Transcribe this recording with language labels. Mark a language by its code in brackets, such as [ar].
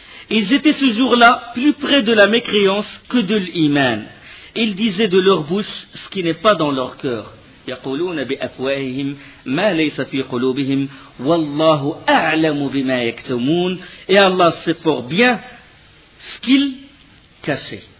[fr] Ils étaient ce jour-là plus près de la mécréance que de l'Iman. Ils disaient de leur bouche ce qui n'est pas dans leur cœur. [ar] يقولون بأفواههم ما ليس في قلوبهم والله أعلم بما يكتمون. [fr] Et Allah sait fort bien ce qu'il cachait.